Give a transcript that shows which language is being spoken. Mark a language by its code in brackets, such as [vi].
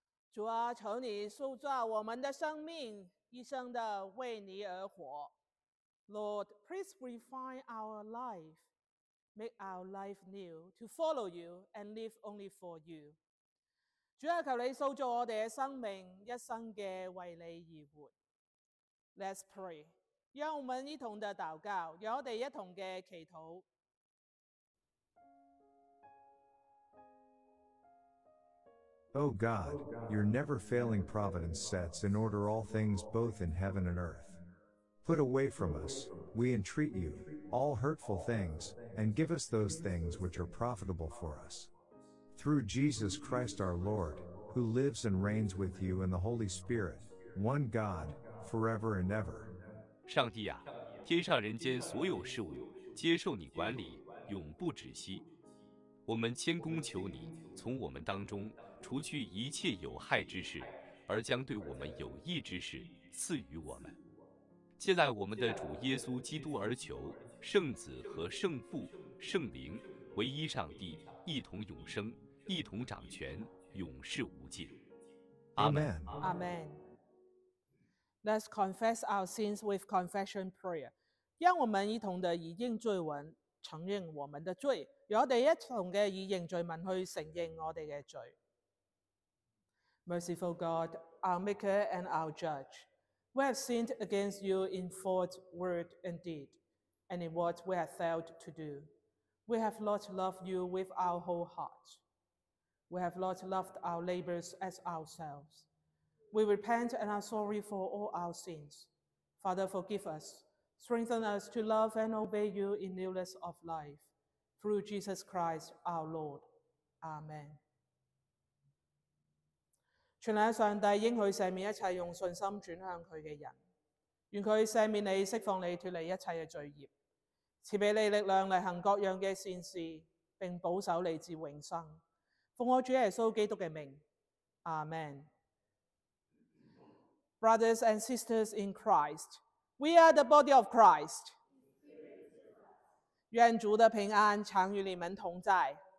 [zh] 主啊，求你塑造我们的生命，一生的为你而活。 [en] Lord, please refine our life, make our life new to follow you and live only for you. [zh] 主啊，求你塑造我们的生命，一生的为你而活。 [en] Let's pray. [zh] 让我们一同的祷告，让我们一同的祈祷。 [en] Oh God, your never-failing providence sets in order all things both in heaven and earth. Put away from us, we entreat you, all hurtful things, and give us those things which are profitable for us. Through Jesus Christ our Lord, who lives and reigns with you in the Holy Spirit, one God, forever and ever. [zh] 上帝啊，天上人间所有事物接受你管理，永不止息。我们谦恭求你从我们当中除去一切有害之事，而将对我们有益之事赐予我们。借赖我们的主耶稣基督而求，圣子和圣父、圣灵，唯一上帝，一同永生，一同掌权，永世无尽。阿门。 [en] 阿门。Let's confess our sins with confession prayer. [zh] 让我们一同的以认罪文承认我们的罪，让我们一同的以认罪文去承认我们的罪。 [en] Merciful God, our Maker and our Judge, we have sinned against you in thought, word, and deed, and in what we have failed to do. We have not loved you with our whole heart. We have not loved our neighbors as ourselves. We repent and are sorry for all our sins. Father, forgive us. Strengthen us to love and obey you in newness of life. Through Jesus Christ, our Lord. Amen. [zh] 全能上帝应许赦免一切用信心转向祂的人。愿祂赦免你，释放你，脱离一切的罪孽。赐给你力量，来行各样的善事，并保守你至永生。奉我主耶稣基督的名。Amen. [en] Brothers and sisters in Christ, we are the body of Christ. [zh] 愿主的平安常与你们同在。